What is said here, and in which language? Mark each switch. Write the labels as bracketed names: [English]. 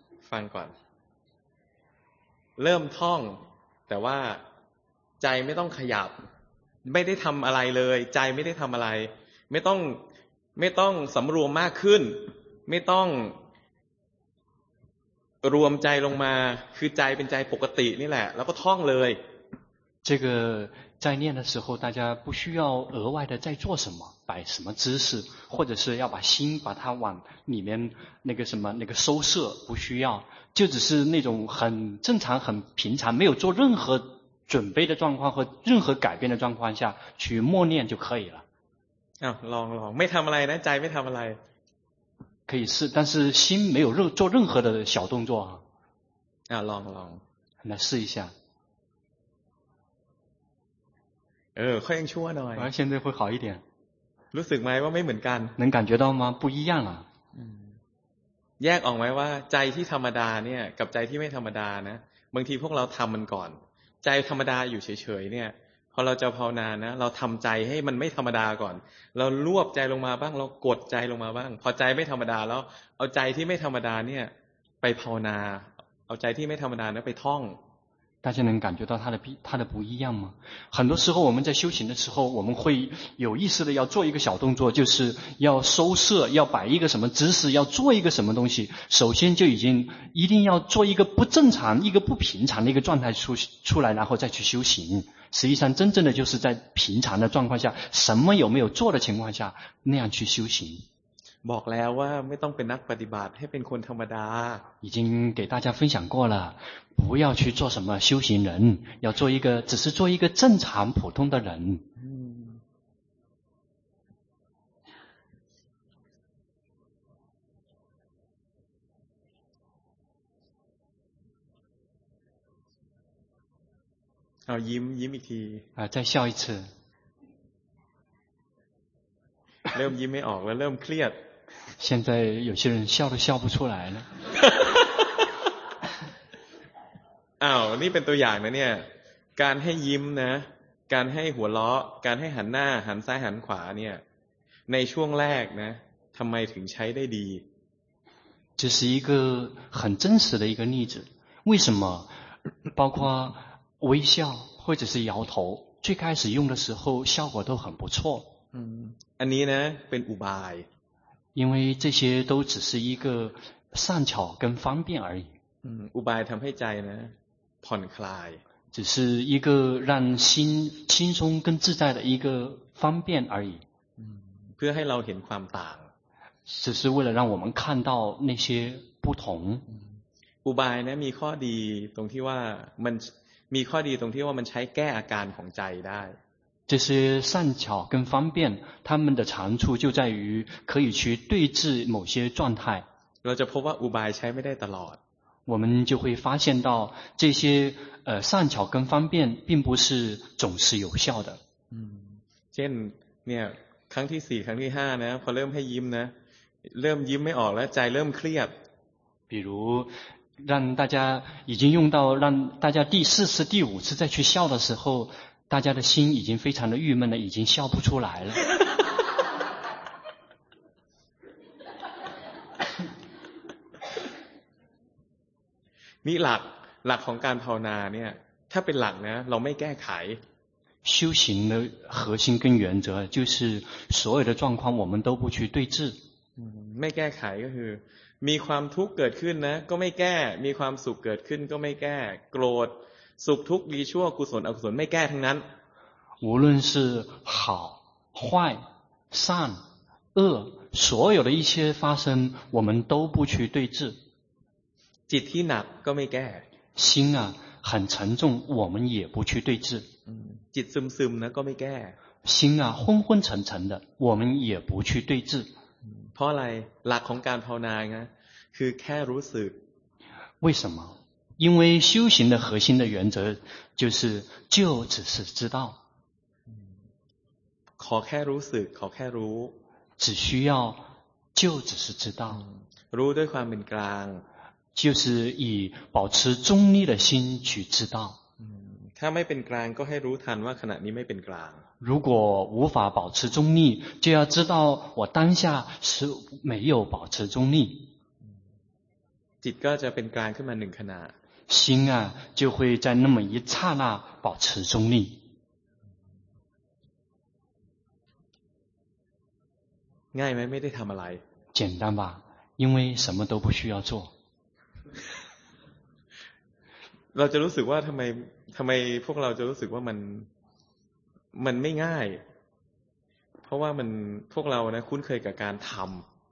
[Thai] ฟังก่อนเริ่มท่องแต่ว่าใจไม่ต้องขยับไม่ได้ทำอะไรเลยใจไม่ได้ทำอะไรไม่ต้องสำรวมมากขึ้นไม่ต้องรวมใจลงมาคือใจเป็นใจปกตินี่แหละแล้วก็ท่องเลย [Chinese] 这个在念的时候大家不需要额外的再做什么摆什么姿势或者是要把心把它往里面那个什么那个收摄不需要就只是那种很正常很平常没有做任何准备的状况和任何改变的状况下去默念就可以了 [Thai] ลองไม่ทำอะไรนะใจไม่ทำอะไร [Chinese] 可以试但是心没有做任何的小动作 [Thai] ลอง [Chinese] 来试一下 [Thai] ค่อยยังชั่วหน่อย [Chinese] 现在会好一点 [Thai] รู้สึกไหมว่าไม่เหมือนกัน [Chinese] 能感觉到吗不一样啊 [Thai] แยกออกไหมว่าใจที่ธรรมดาเนี่ยกับใจที่ไม่ธรรมดานะบางทีพวกเราทำมันก่อนใจธรรมดาอยู่เฉยๆเนี่ยพอเราจะภาวนานะเราทำใจให้มันไม่ธรรมดาก่อนเรารวบใจลงมาบ้างเรากดใจลงมาบ้างพอใจไม่ธรรมดาแล้วเอาใจที่ไม่ธรรมดาเนี่ยไปภาวนาเอาใจที่ไม่ธรรมดานะไปท่อง [Chinese] 大家能感觉到它的不一样吗？很多时候我们在修行的时候，我们会有意识的要做一个小动作，就是要收摄，要摆一个什么姿势，要做一个什么东西。首先就已经一定要做一个不正常、一个不平常的一个状态出来，然后再去修行。实际上，真正的就是在平常的状况下，什么有没有做的情况下，那样去修行。 [Thai] บอกแล้วว่าไม่ต้องเป็นนักปฏิบัติให้เป็นคนธรรมดา [Chinese] 已经给大家分享过了不要去做什么修行人要做一个只是做一个正常普通的人 [Thai] ยิ้มอีกที [Chinese] 再笑一次 [Thai] เริ่มยิ้มไม่ออกแล้วเริ่มเครียด [Chinese] 现在有些人笑都笑不出来了。 [Thai] อ้าวนี่เป็นตัวอย่างนะเนี่ยการให้ยิ้มนะการให้หัวเราะการให้หันหน้าหันซ้ายหันขวาเนี่ยในช่วงแรกนะทำไมถึงใช้ได้ดี [Chinese] 这是一个很真实的一个例子为什么包括微笑或者是摇头最开始用的时候效果都很不错 [Thai] อันนี้นะเป็นอุบาย [Chinese] 因为这些都只是一个善巧跟方便而已 [Thai] อุบายทำให้ใจนะผ่อนคลาย [Chinese] 只是一个让心轻松跟自在的一个方便而已 [Thai] เพื่อให้เราเห็นความต่าง [Chinese] 只是为了让我们看到那些不同 [Thai] อุบายนะมีข้อดีตรงที่ว่ามันมันใช้แก้อาการของใจได้ [Chinese] 这些善巧跟方便他们的长处就在于可以去对治某些状态 [Thai] เราจะพบว่าอุบายใช้ไม่ได้ตลอด [Chinese] 我们就会发现到这些善巧跟方便并不是总是有效的 [Thai] เช่นเนี่ยครั้งที่4ครั้งที่5นะพอเริ่มให้ยิ้มนะเริ่มยิ้มไม่ออกแล้วใจเริ่มเครียด [Chinese] 比如让大家已经用到让大家第四次第五次再去笑的时候大家的心已经非常的郁闷了已经笑不出来了 [Thai] 你หลักของการภาวนาเนี่ยถ้าเป็นหลักนะเราไม่แก้ไข [Chinese] 修行的核心跟原则就是所有的状况我们都不去对治 [Thai] ไม่แก้ไขก็คือมีความทุกข์เกิดขึ้นนะก็ไม่แก้มีความสุขเกิดขึ้นก็ไม่แก้โกรธสุขทุกข์ดีชั่วกุศลอกุศลไม่แก้ทั้งนั้น [Chinese] 无论是好坏善恶所有的一切发生我们都不去对治 [Thai] จิตที่หนักก็ไม่แก้ [Chinese] 心啊很沉重我们也不去对治 [Thai] จิตซึมนะก็ไม่แก้ [Chinese] 心啊昏昏沉沉的我们也不去对治 [Thai] เพราะอะไรหลักของการภาวนาไงคือแค่รู้สึก [Chinese] 为什么因为修行的核心的原则就是就只是知道 [Thai] ขอแค่รู้สึกขอแค่รู้ [Chinese] 只需要就只是知道 [Thai] รู้ด้วยความเป็นกลาง [Chinese] 就是以保持中立的心去知道 [Thai] ถ้าไม่เป็นกลางก็ให้รู้ทันว่าขณะนี้ไม่เป็นกลาง [Chinese] 如果无法保持中立，就要知道我当下是没有保持中立。 [Thai] จิตก็จะเป็นกลางขึ้นมาหนึ่งขณะ。 [Chinese] 心啊，就会在那么一刹那保持中立。 [Thai] ง่ายไหมไม่ได้ทำอะไร。 [Chinese] 简单吧，因为什么都不需要做。 [Thai] เราจะรู้สึกว่าทำไมพวกเราจะรู้สึกว่ามันไม่ง่ายเพราะว่ามันพวกเรานะคุ้นเคยกับการทำ